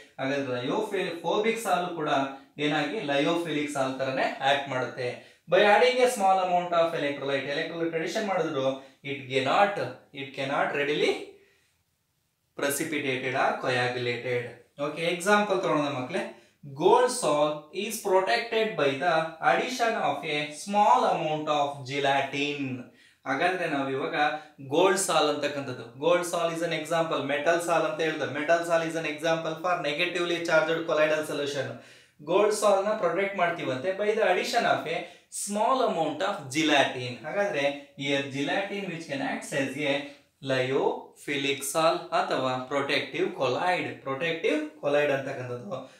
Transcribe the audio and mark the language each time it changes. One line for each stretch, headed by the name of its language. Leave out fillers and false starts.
Kannada: ಹಾಗಾದ್ರೆ ಲಯೋಫೋಬಿಕ್ ಸಾಲ್ ಕೂಡ ಏನಾಗಿ ಲಯೋಫಿಲಿಕ್ ಸಾಲ್ ತರನೇ ಆಕ್ಟ್ ಮಾಡುತ್ತೆ.
English: by adding a small amount of electrolyte,
Kannada: electrolyte addition ಮಾಡಿದ್ರು
English: It cannot readily precipitated or coagulated. Okay,
Kannada: example ತಗೊಳೋಣ ಮಕ್ಕಳೇ.
English: gold salt is protected by the addition of a small amount of gelatin.
Kannada: ಹಾಗಾದ್ರೆ ನಾವಿವಾಗ ಗೋಲ್ಡ್ ಸಾಲ್ ಅಂತಕ್ಕಂಥದ್ದು,
English: gold sol is an example,
Kannada: metal ಸಾಲ್ ಅಂತ ಹೇಳಿದೆ,
English: Metal sol is an example for negatively charged colloidal solution.
Kannada: Gold ಸಾಲ್ ನ protect ಮಾಡ್ತೀವಂತೆ
English: By the addition of a small amount of gelatin.
Kannada: ಹಾಗಾದ್ರೆ ಈ
English: gelatin which can act as a lyophilic sol
Kannada: ಅಥವಾ
English: protective colloid, protective colloid
Kannada: ಅಂತಕ್ಕಂಥದ್ದು.